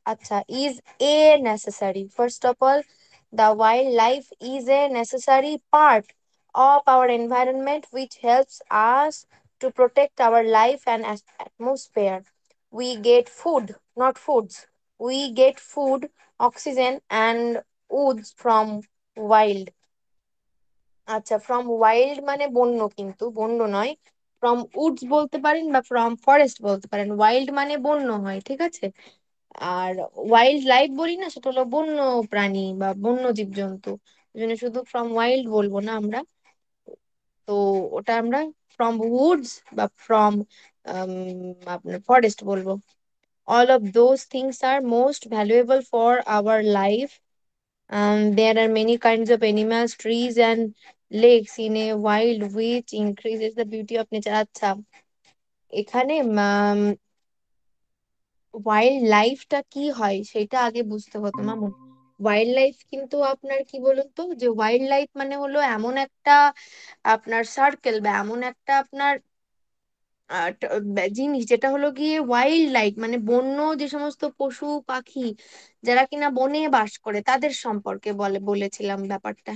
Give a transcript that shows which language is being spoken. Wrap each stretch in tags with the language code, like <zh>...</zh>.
<en>अच्छा, is a necessary. First of all, the wild life is a necessary part of our environment which helps us to protect our life and atmosphere. We get food, not foods, we get food, oxygen and woods from wild.</en> <bn>আচ্ছা, from wild মানে বন্য, কিন্তু বন্য নয়, from Woods বলতে পারেন বা from forest বলতে পারেন. ওয়াইল্ড মানে বন্য হয়, ঠিক আছে? আর ওয়াইল্ড লাইফ বলি না, সেটা হলো বন্য প্রাণী বা বন্য জীবজন্তু, ওই জন্য শুধু ফ্রম ওয়াইল্ড বলবো না আমরা. তো ওটা আমরা ফ্রম উডস বা ফ্রম আপনার ফরেস্ট বলবো.</bn> <en>All of those things are most valuable for our life. There are many kinds of animals, trees and lakes in a wild which increases the beauty of nature.</en> <bn>আচ্ছা, এখানে wild লাইফটা কি হয় সেটা আগে বুঝতে হতো মামুন. ওয়াইল্ড লাইফ কিন্তু আপনার কি বলুন তো, যে ওয়াইল্ড লাইফ মানে হলো এমন একটা আপনার সার্কেল বা এমন একটা আপনার জিনিস যেটা হলো গিয়ে ওয়াইল্ড লাইফ মানে বন্য যে সমস্ত পশু পাখি যারা কিনা বনে বাস করে তাদের সম্পর্কে বলে বলেছিলাম ব্যাপারটা.</bn>